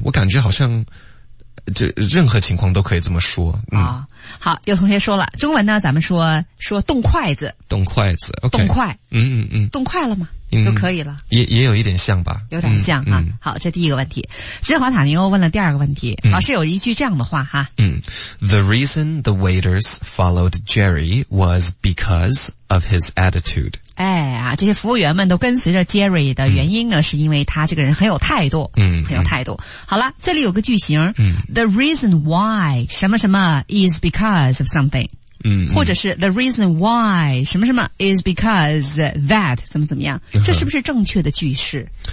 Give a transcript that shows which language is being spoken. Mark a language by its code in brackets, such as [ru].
[zh] 我感觉好像这任何情况都可以这么说。好，有同学说了，中文呢，咱们说动筷子，动筷子， okay, 动筷，动筷了吗？就可以了，也有一点像吧，有点像啊。好，这第一个问题，芝华塔尼欧问了第二个问题，老师有一句这样的话哈， [en] The reason the waiters followed Jerry was because of his attitude。 [zh] 哎呀，这些服务员们都跟随着 Jerry 的原因呢，是因为他这个人很有态度，很有态度。好了，这里有个句型， [en] The reason why [zh] 什么什么 [en] is because of something。 [zh] 或者是 [en] the reason why [zh] 什么什么 [en] is because that [zh] 怎么怎么样，这是不是正确的句式？